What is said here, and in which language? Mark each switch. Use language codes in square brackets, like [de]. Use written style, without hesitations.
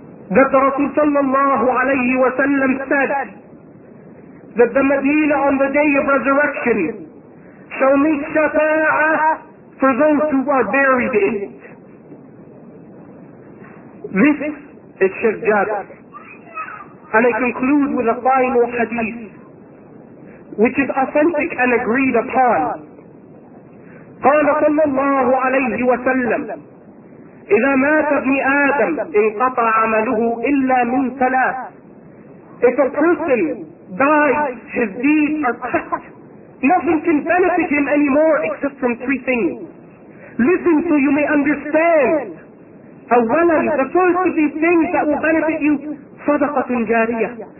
[en] That the Rasul sallallahu alayhi wa sallam said that the Madinah on the day of resurrection shall meet shafa'a for those who are buried in it. This is Sheikh Jabir. And I conclude with a final hadith, which is authentic and agreed upon. [ar] قال صلى الله عليه وسلم إذا مات ابن آدم انقطع عمله إلا من ثلاث. [en] If a person dies, his deeds are cut. Nothing can benefit him anymore except from three things. Listen so you may understand. [ar] أولا, [en] the first of these things that will benefit you, [ar] صدقة جارية.